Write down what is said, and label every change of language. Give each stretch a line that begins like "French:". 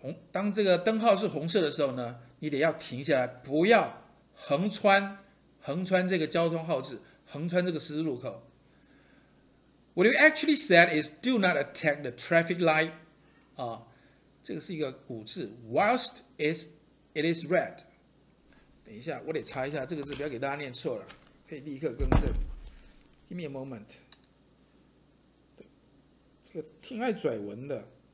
Chinese: 当这个灯号是红色的时候呢，你得要停下来，不要横穿这个交通号志，横穿这个十字路口。
English: What you actually said is do not attack the traffic light.
Chinese: 这个是一个古字
English: whilst it is red.
Chinese: 等一下，我得查一下这个字，不要给大家念错了，可以立刻更正。
English: Give me a moment.
Chinese: 这个挺爱拽文的。